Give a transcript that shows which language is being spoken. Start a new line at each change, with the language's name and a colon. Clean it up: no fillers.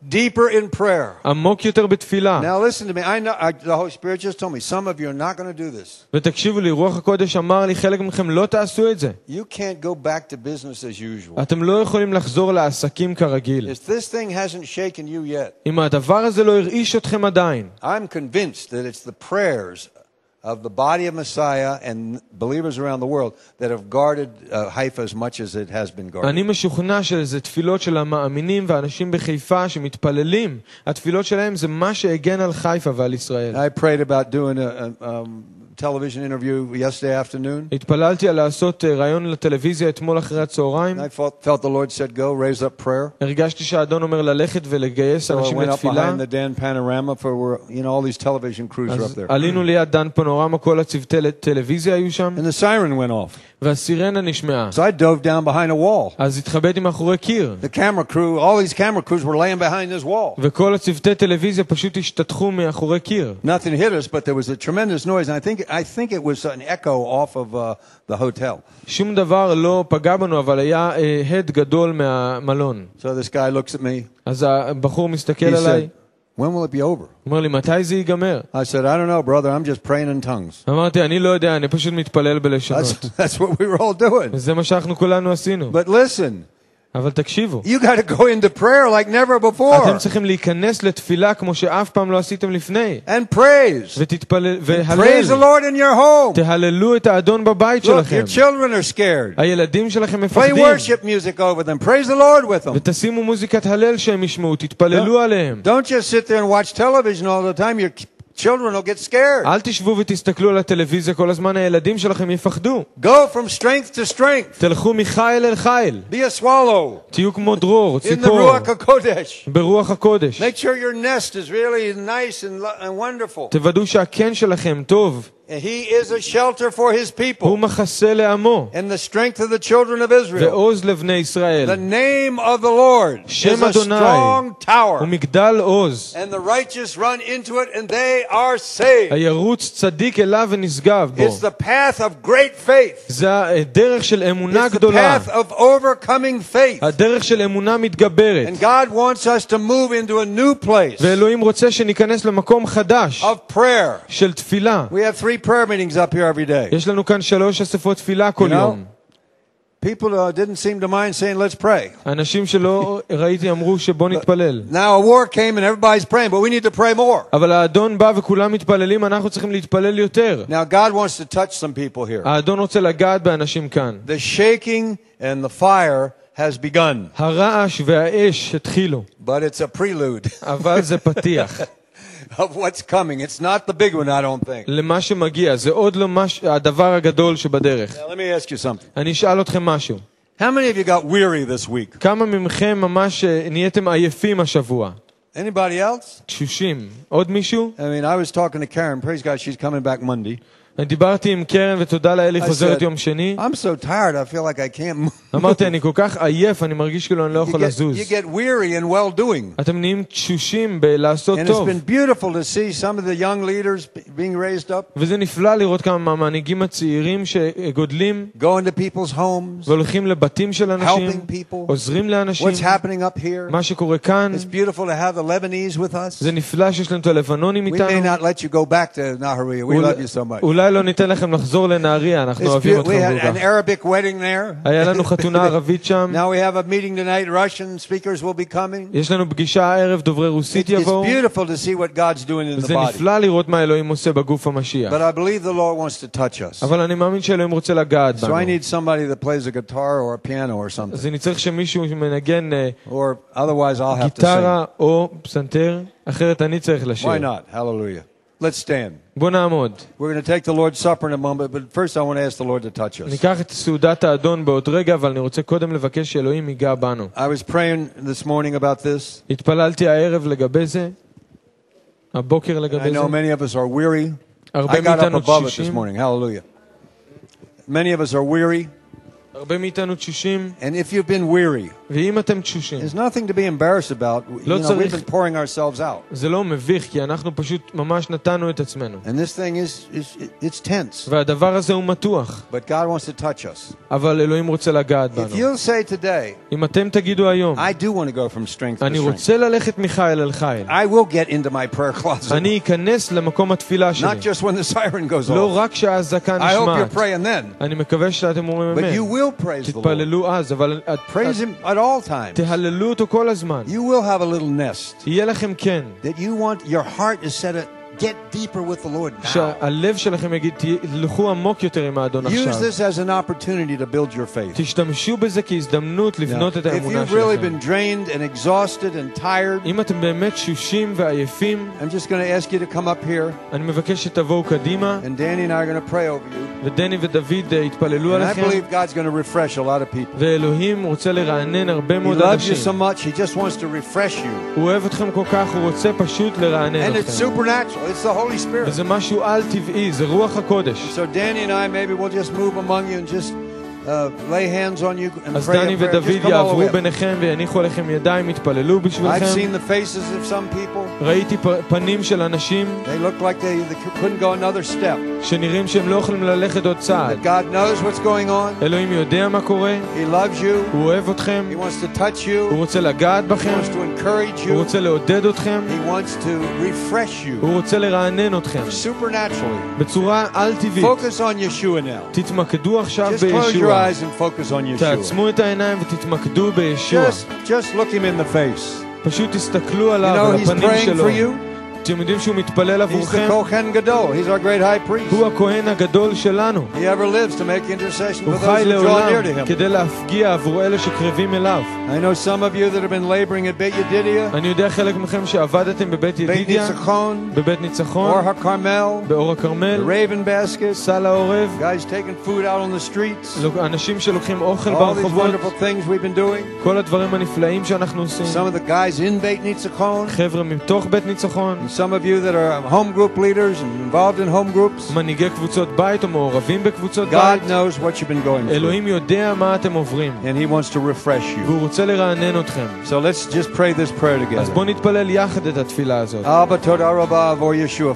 English: Deeper in prayer.
Hebrew: עמוק יותר בתפילה.
English: Now listen to me. I know the Holy Spirit just told me some of you are not going to do this.
Hebrew: ותקשיבו לי, רוח הקודש אמר לי חלק מכם לא תעשו את זה.
English: You can't go back to business as usual.
Hebrew: אתם לא יכולים לחזור לעסקים כרגיל.
English: If this thing hasn't shaken you yet.
Hebrew: אם הדבר הזה לא הרעיש אתכם עדיין.
English: I'm convinced that it's the prayers of the body of Messiah and believers around the world that have guarded Haifa as much as it has been guarded.
Hebrew: אני משוכנע שזה תפילות של המאמינים ואנשים בחיפה שמתפללים. התפילות שלהם זה מה שהגן על חיפה ועל ישראל.
English: I prayed about doing a television interview yesterday afternoon.
Hebrew: התפללתי לעשות ראיון לטלוויזיה אתמול אחרי הצהריים.
English: I felt the Lord said go raise up prayer.
Hebrew: הרגשתי שהאדון אומר ללכת ולגייס אנשים לתפילה.
English: Went up behind the Dan Panorama for where you know all these television crews were up there.
Hebrew: עלינו ליד דן פנורמה כל הצוותי טלוויזיה היו שם.
English: And the siren went off.
Hebrew: והסירנה נשמעה.
English: So I dove down behind a wall.
Hebrew: אז התחבאתי מאחורי קיר.
English: The camera crew, all these camera crews were laying behind this wall.
Hebrew: וכל הצוותי טלוויזיה פשוט השתתחו מאחורי קיר.
English: Nothing hit us but there was a tremendous noise and I think it was an echo off of the hotel.
Hebrew: שום דבר לא פגע בנו אבל היה הד גדול מהמלון.
English: So this guy looks at me.
Hebrew: אז הבחור מסתכל עליי.
English: When will it be over?
Hebrew: אמר לי מתי זה ייגמר?
English: I said I don't know brother I'm just praying in tongues.
Hebrew: אמרתי אני לא יודע אני פשוט מתפלל בלשונות.
English: That's what we were all doing.
Hebrew: זה מה שאנחנו כולנו עשינו.
English: But listen.
Hebrew: אבל תקשיבו.
English: You got to go into prayer like never before.
Hebrew: אתם צריכים להיכנס לתפילה כמו שאף פעם לא עשיתם לפני.
English: And praise.
Hebrew: ותתפללו והלל.
English: Praise the Lord in your home.
Hebrew: תהללו את האדון בבית שלכם.
English: Your children are scared.
Hebrew: הילדים שלכם מפחדים.
English: Play worship music over them. Praise the Lord with them.
Hebrew: ותשימו מוזיקת הלל שהם ישמעו, תתפללו עליהם.
English: Don't just sit there and watch television all the time. Your children will get scared.
Hebrew: אל תשבו ותסתכלו על הטלוויזיה כל הזמן, הילדים שלכם יפחדו.
English: Go from strength to strength.
Hebrew: תלכו מחיל אל חיל.
English: Be a swallow.
Hebrew: תהיו כמו דרור, ציפור.
English: In the ruach hakodesh.
Hebrew: ברוח הקודש.
English: Make sure your nest is really nice and wonderful.
Hebrew: תוודאו שהקן שלכם טוב.
English: He is a shelter for his people.
Hebrew: הוא מחסה לעמו.
English: And the strength of the children of Israel.
Hebrew: ועוז לבני ישראל.
English: The name of the Lord.
Hebrew: שם אדוני.
English: Is a strong tower.
Hebrew: ומגדל עוז.
English: And the righteous run into it and they are saved.
Hebrew: הירוץ צדיק אליו ונשגב בו.
English: It's the path of great faith.
Hebrew: זה הדרך של אמונה גדולה.
English: It's the path of overcoming faith.
Hebrew: הדרך של אמונה מתגברת.
English: And God wants us to move into a new place.
Hebrew: ואלוהים רוצה שניכנס למקום חדש.
English: Of prayer.
Hebrew: של תפילה.
English: We have three prayer meetings up here every day.
Hebrew: יש לנו כאן 3 אספות תפילה כל יום.
English: People didn't seem to mind saying let's pray.
Hebrew: אנשים שלא ראיתי אמרו שבוא נתפלל.
English: Now a war came and everybody's praying but we need to pray more.
Hebrew: אבל האדון בא וכולם מתפללים אנחנו צריכים להתפלל יותר.
English: Now God wants to touch some people here.
Hebrew: האדון רוצה לגעת באנשים כאן.
English: The shaking and the fire has begun.
Hebrew: הרעש והאש התחילו.
English: But it's a prelude.
Hebrew: אבל זה פתיח.
English: Of what's coming it's not the big one I don't think
Hebrew: למה שמגיע זה עוד לא מה הדבר הגדול שבדרך
English: let me ask you something
Hebrew: אני אשאל אתכם משהו
English: how many of you got weary this week
Hebrew: כמה ממכם ממש נהייתם עייפים השבוע
English: anybody else
Hebrew: תשושים עוד מישהו
English: I mean I was talking to Karen praise God she's coming back Monday
Hebrew: דיברתי עם קרן ותודה לאל היא חוזרת יום שני.
English: I'm so tired, I feel like I can't move.
Hebrew: אמרתי, אני כל כך עייף, אני מרגיש כאילו אני לא יכול לזוז.
English: You get weary in well doing.
Hebrew: אתם נהיים תשושים בלעשות טוב.
English: And it's been beautiful to see some of the young leaders being raised up.
Hebrew: וזה נפלא לראות כמה מהמנהיגים הצעירים שגודלים.
English: Going to people's homes.
Hebrew: והולכים לבתים של אנשים.
English: Helping people.
Hebrew: עוזרים לאנשים.
English: What's happening up here?
Hebrew: מה שקורה כאן.
English: It's beautiful to have the Lebanese with us.
Hebrew: זה נפלא שיש לנו את הלבנונים איתנו.
English: We may not let you go back to Nahariya. We love you so much.
Hebrew: לא ניתן לכם לחזור לנהריה, אנחנו אוהבים אתכם כל כך.
English: An Arabic wedding there.
Hebrew: היה לנו חתונה ערבית שם.
English: Now we have a meeting tonight. Russian speakers will be coming.
Hebrew: יש לנו פגישה הערב, דוברי רוסית יבואו.
English: It's beautiful to see what God's doing in the body.
Hebrew: זה נפלא לראות מה אלוהים עושה בגוף המשיח.
English: But I believe the Lord wants to touch us.
Hebrew: אבל אני מאמין שאלוהים רוצה לגעת בנו.
English: So I need somebody that plays a guitar or a piano or something.
Hebrew: אז אני צריך שמישהו שמנגן
English: or otherwise I'll have to sing.
Hebrew: גיטרה או פסנתר, אחרת אני צריך לשיר.
English: Why not? Hallelujah. Let's stand.
Hebrew: בוא נעמוד.
English: We're going to take the Lord's Supper in a moment, but first I want to ask the Lord to touch us.
Hebrew: ניקח את סעודת האדון בעוד רגע, אבל אני רוצה קודם לבקש שאלוהים ייגע בנו.
English: I was praying this morning about this.
Hebrew: התפללתי הערב לגבי זה. הבוקר לגבי זה.
English: I know many of us are weary.
Hebrew: הרבה מאיתנו תשושים.
English: This morning. Hallelujah. Many of us are weary.
Hebrew: הרבה מאיתנו תשושים.
English: And if you've been weary.
Hebrew: ואם אתם תשושים.
English: There's nothing to be embarrassed about.
Hebrew: לא
English: you
Hebrew: צריך,
English: know, we've been pouring ourselves out.
Hebrew: זה לא מביך, כי אנחנו פשוט ממש נתנו את עצמנו.
English: And this thing is it's tense.
Hebrew: והדבר הזה הוא מתוח.
English: But God wants to touch us.
Hebrew: אבל אלוהים רוצה לגעת בנו.
English: If you'll say today.
Hebrew: אם אתם תגידו היום.
English: I do want to go from strength to strength.
Hebrew: אני רוצה ללכת מחיל אל חיל.
English: I will get into my prayer closet.
Hebrew: אני אכנס למקום התפילה שלי.
English: Not just when the siren goes off.
Hebrew: לא רק כשהאזעקה נשמעת.
English: I hope you're praying then.
Hebrew: אני מקווה שאתם אומרים אמן.
English: But you will praise the Lord.
Hebrew: תתפללו אז, אבל
English: praise him at all times.
Hebrew: תהללו אותו כל הזמן.
English: You will have a little nest.
Hebrew: יהיה לכם קן.
English: That you want your heart is set to get deeper with the Lord.
Hebrew: שהלב שלכם יגיד תלכו עמוק יותר עם האדון עכשיו.
English: Use this as an opportunity to build your faith.
Hebrew: תשתמשו בזה כהזדמנות לבנות את האמונה שלכם.
English: If you've really been drained and exhausted and tired.
Hebrew: אם אתם באמת תשושים ועייפים.
English: I'm just going to ask you to come up here.
Hebrew: אני מבקש שתבואו קדימה.
English: And Danny and I are going to pray over you.
Hebrew: ודני ודוד יתפללו עליכם.
English: And I believe God's going to refresh a lot of people.
Hebrew: ואלוהים רוצה לרענן הרבה מאוד אנשים.
English: He loves you so much, he just wants to refresh you.
Hebrew: הוא אוהב אתכם כל כך, הוא רוצה פשוט לרענן אתכם.
English: And it's supernatural. It's the Holy Spirit.
Hebrew: וזה משהו על טבעי, זה רוח הקודש.
English: So Danny and I maybe we'll just move among you and just lay hands on you and pray.
Hebrew: אז דני ודוד יעברו ביניכם ויניחו עליכם ידיים, יתפללו בשבילכם.
English: I've seen the faces of some people.
Hebrew: ראיתי פנים של אנשים.
English: They look like they couldn't go another step.
Hebrew: שנראים שהם לא יכולים ללכת עוד צעד.
English: God knows what's going on.
Hebrew: אלוהים יודע מה קורה.
English: He loves you.
Hebrew: הוא אוהב אתכם.
English: He wants to touch you.
Hebrew: הוא רוצה לגעת בכם.
English: He wants to encourage you.
Hebrew: הוא רוצה לעודד אתכם.
English: He wants to refresh you.
Hebrew: הוא רוצה לרענן אתכם.
English: Supernaturally.
Hebrew: בצורה על טבעית.
English: Focus on Yeshua now.
Hebrew: תתמקדו עכשיו בישוע.
English: Eyes and focus on Yeshua.
Hebrew: תעצמו את העיניים ותתמקדו בישוע.
English: Just look him in the face.
Hebrew: פשוט תסתכלו עליו,
English: you know, he's
Hebrew: בפנים
English: praying
Hebrew: שלו.
English: For you.
Hebrew: אתם יודעים שהוא מתפלל עבורכם?
English: He's the Kohen Gadol. He's our great high priest.
Hebrew: הוא הכהן הגדול שלנו.
English: He ever lives to make intercession for those who draw near to him.
Hebrew: כדי להפגיע עבור אלה שקרבים אליו.
English: I know some of you that have been laboring at Beit Yedidia.
Hebrew: אני יודע חלק מכם שעבדתם בבית ידידיה. בבית ניצחון.
English: Or Carmel.
Hebrew: באור הכרמל.
English: Raven Basket.
Hebrew: סל העורב.
English: Guys taking food out on the streets.
Hebrew: אנשים שלוקחים אוכל ברחובות.
English: All the wonderful things we've been doing.
Hebrew: כל הדברים הנפלאים שאנחנו עושים.
English: Some of the guys in Beit ניצחון.
Hebrew: חבר'ה מתוך בית ניצחון.
English: Some of you that are home group leaders and involved in home groups.
Hebrew: מנהיגי קבוצות בית או מעורבים בקבוצות בית.
English: God knows what you've been going through.
Hebrew: אלוהים יודע מה אתם עוברים.
English: And he wants to refresh you.
Hebrew: והוא רוצה לרענן אתכם.
English: So let's just pray this prayer together.
Hebrew: אז בוא נתפלל יחד את התפילה הזאת. Abba, תודה רבה עבור Yeshua.